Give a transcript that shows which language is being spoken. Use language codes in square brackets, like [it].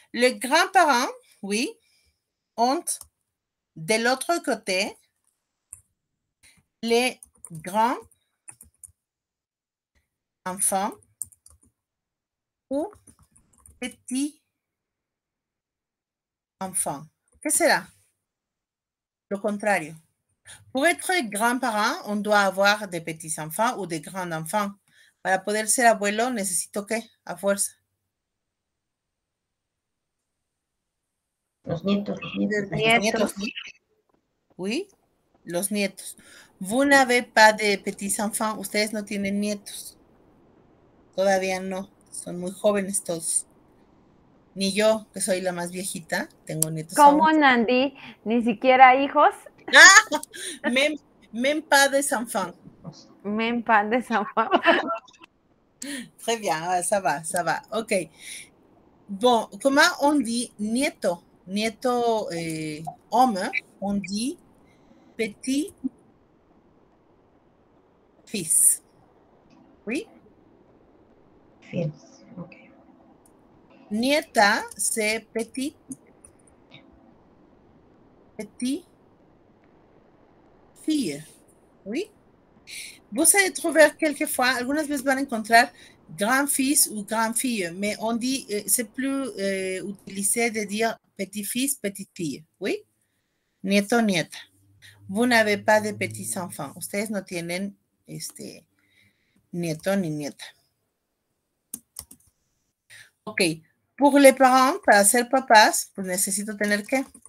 [fr] Le grand-parent, oui, ont de l'autre côté les grands enfants ou petits enfants. [es] Que será? Lo contrario. [fr] Pour être grand-parent, on doit avoir des petits enfants ou des grands enfants. [es] Para poder ser abuelo, necesito qué, a fuerza. Los nietos. [fr] Vous n'avez pas de petits enfants. [es] Ustedes no tienen nietos. Todavía no. Son muy jóvenes todos. Ni yo, que soy la más viejita, tengo nietos. ¿Cómo, Nandi? ¿Ni siquiera hijos? [fr] Même pas de enfants. Même pas de enfants. Très bien, ça va, ça va. Ok. Bon, comment on dit nieto? Nieto homme, on dit petit fils. Oui? Fils, ok. Nieta, c'est petit fille. Oui? Vous allez trouver quelquefois, [es] algunas veces van a encontrar [fr] grand-fils ou grand-fille, mais on dit, c'est plus utilisé de dire petit-fils, petite-fille, oui? Nieto, nieta. Vous n'avez pas de petits-enfants. [es] Ustedes no tienen nieto ni nieta. Ok. [fr] Pour les parents, [es] para ser papás, pues necesito tener qué?